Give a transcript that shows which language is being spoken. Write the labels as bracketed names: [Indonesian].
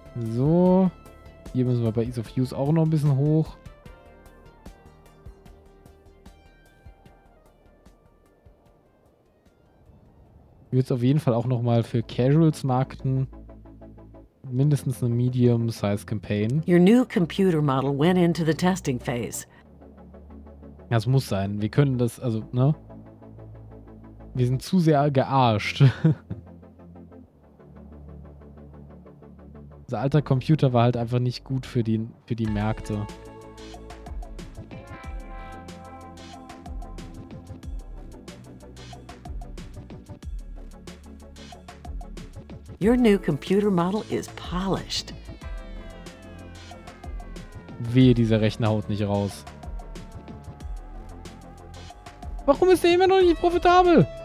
[German] So. Hier müssen wir bei Ease of Use auch noch ein bisschen hoch. Ich würde es auf jeden Fall auch nochmal für Casuals markten. Mindestens eine Medium-Size Campaign. [English] Your new computer model went into the testing phase. [German] Das muss sein. Wir können das, also, ne? Wir sind zu sehr gearscht. Unser alter Computer war halt einfach nicht gut für die Märkte. [English] Your new computer model is polished. [German] Wehe, dieser Rechner haut nicht raus. Warum ist der immer noch nicht profitabel?